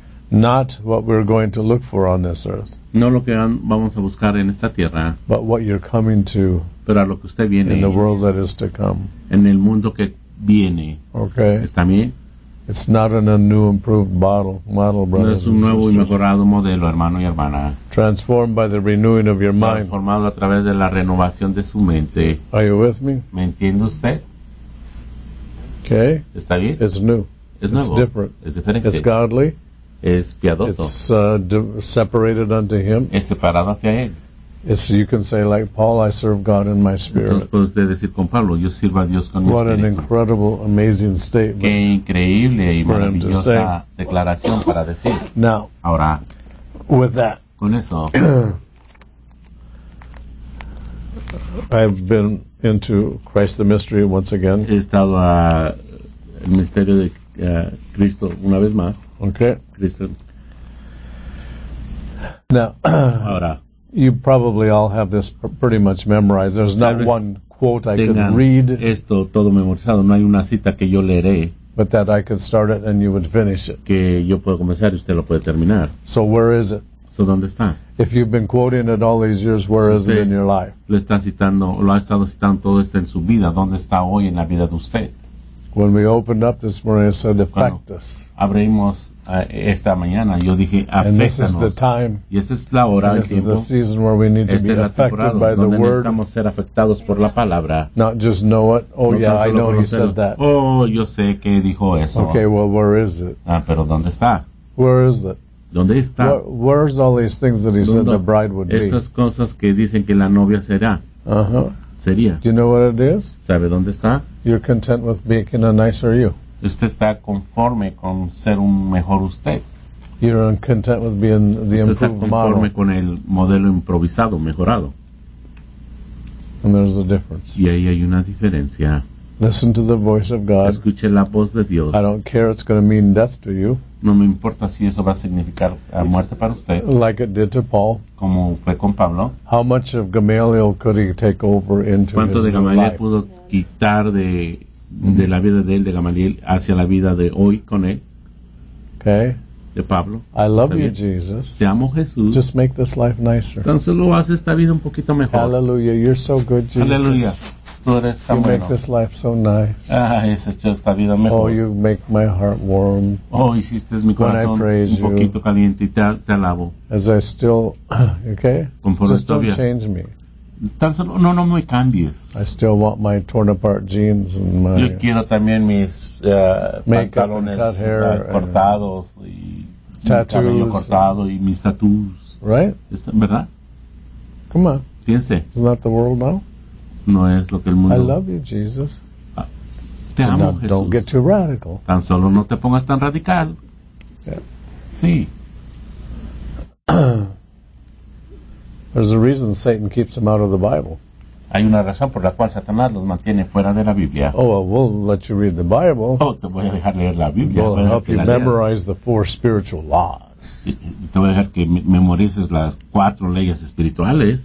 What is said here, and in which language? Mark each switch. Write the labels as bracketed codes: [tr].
[en] Not what we're going to look for on this earth. [es] No lo que vamos a buscar en esta tierra. [en] But what you're coming to. [es] Pero a lo que usted viene. [en] In the world that is to come. [es] En el mundo que viene. [en] Okay. [es] ¿Está bien? [en] It's not in a new improved model, brothers. [es] No es un nuevo y mejorado modelo, hermano y hermana. [en] Transformed by the renewing of your mind. [es] Transformado a través de la renovación de su mente. [en] Are you with me? [es] ¿Me entiende usted? [en] Okay. [es] ¿Está bien? [en] It's new. [es] Es nuevo. [en] It's different. [es] Es diferente. [en] It's godly. [es] Es piadoso. [en] It's separated unto him. [es] Es separado hacia él. [en] It's you can say like Paul, I serve God in my spirit. [es] Entonces puedes decir con Pablo, yo sirvo a Dios con mi espíritu. [en] What an incredible, amazing statement. [es] Qué increíble y maravillosa declaración para decir. [en] Now, [es] ahora, [en] with that, [es] con eso, [en] I've been into Christ the Mystery once again. [es] He estado el misterio de Cristo una vez más. [en] Okay. [es] Cristo. [en] Now, [es] ahora. [en] You probably all have this pretty much memorized. There's not one quote I could read. [es] Esto todo memorizado. No hay una cita que yo leeré. [en] But that I could start it and you would finish it. [es] Que yo puedo comenzar y usted lo puede terminar. [en] So where is it? [es] So dónde está? [en] If you've been quoting it all these years, where is it in your life? [es] Lo está citando, lo ha estado citando todo esto en su vida. ¿Dónde está hoy en la vida de usted? [en] When we opened up this morning, I said, "Affectus." [es] Abrimos esta mañana. Yo dije, "Afectanos." [en] And this is the time. [es] Y esta es la hora. [en] This is the season where we need to be affected by the word. [es] Necesitamos ser afectados por la palabra. [en] Not just know it. Oh yeah, I know you said that. [es] Oh, yo sé que dijo eso. [en] Okay, well, where is it? [es] Ah, pero ¿dónde está? [en] Where is it? [es] ¿Dónde está? [en] Where's all these things that he said the bride would be? [es] Estas cosas que dicen que la novia será. Sería. [en] Do you know what it is? [es] ¿Sabe dónde está? [en] You're content with being a nicer you. [es] Usted está conforme con ser un mejor usted. [en] You're content with being the [es] usted [en] improved model. [es] Usted está conforme Con el modelo improvisado, mejorado. [en] And there's a difference. [es] Y ahí hay una diferencia. [en] Listen to the voice of God. [es] Escuche la voz de Dios. [en] I don't care. It's going to mean death to you. [es] No me importa si eso va a significar muerte para usted. [en] Like it did to Paul. [es] Como fue con Pablo. [en] How much of Gamaliel could he take over into his life? [es] ¿Cuánto de Gamaliel pudo quitar de la vida de él, de Gamaliel, hacia la vida de hoy con él? [en] Okay. [es] De Pablo. [en] I love you, Jesus. [es] Te amo, Jesús. [en] Just make this life nicer. [es] Tan solo haz esta vida un poquito mejor. [en] Hallelujah. You're so good, Jesus. Hallelujah. You make this life so nice. [es] Ah, esta vida mejor. [en] Oh, you make my heart warm. [es] Oh, hiciste mi corazón [en] when I praise [es] un poquito [en] you. [es] Caliente y te alabo. [en] As I still, okay? [es] Conforme [en] just don't change me. [es] Tan solo, no me cambies. [en] I still want my torn apart jeans and my. [es] Yo quiero también mis pantalones [en] cut hair [es] cortados y [en] tattoos. [es] Mi cabello cortado y mis tattoos. [en] Right? [es] ¿Verdad? [en] Come on. [es] Piense. [en] Is that the world now? [es] No es lo que el mundo. [en] I love you, Jesus. [es] Te amo, no, Jesús. [en] Don't get too radical. [es] Tan solo no te pongas tan radical. [en] Okay. [es] Sí. [en] There's a reason Satan keeps them out of the Bible. [es] Hay una razón por la cual Satanás los mantiene fuera de la Biblia. [en] Oh, well, we'll let you read the Bible. [es] Oh, te voy a dejar leer la Biblia. [en] We'll help you memorize the four spiritual laws. [es] Y te voy a dejar que memorices las cuatro leyes espirituales.